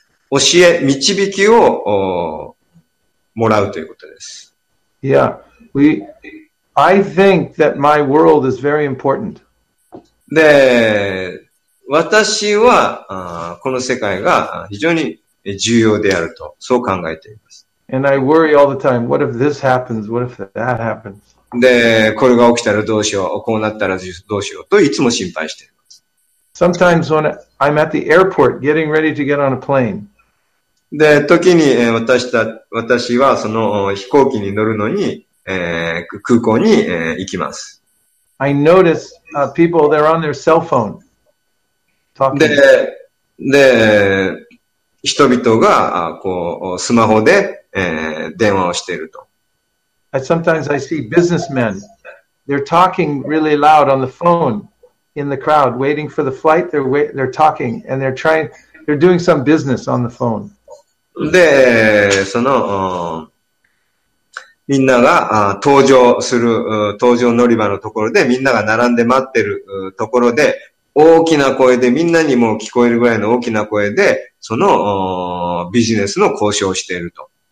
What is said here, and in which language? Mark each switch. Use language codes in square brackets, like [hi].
[ja] ああ、教え、導きをもらうということです。 [en] Yeah, I think that my world is very important. [ja] で、私は、この世界が非常に重要であると、そう考えています。 [en] And I worry all the time, what if this happens? What if that happens? [ja] で、これが起きたらどうしよう、こうなったらどうしようといつも心配しています。 [en] Sometimes when I'm at the airport getting ready to get on a plane. [ja] で、時に私はその飛行機に乗るのに、空港に行きます。 [en] I notice people, they're on their cell phone. Talking. [ja] で、人々がこうスマホで電話をしていると。 [en] Sometimes I see businessmen. They're talking really loud on the phone in the crowd, waiting for the flight. They're talking and they're doing some business on the phone. [ja] で、そのみんなが搭乗乗り場のところでみんなが並んで待ってるところで大きな声でみんなにも聞こえるぐらいの大きな声でそのビジネスの交渉をしていると。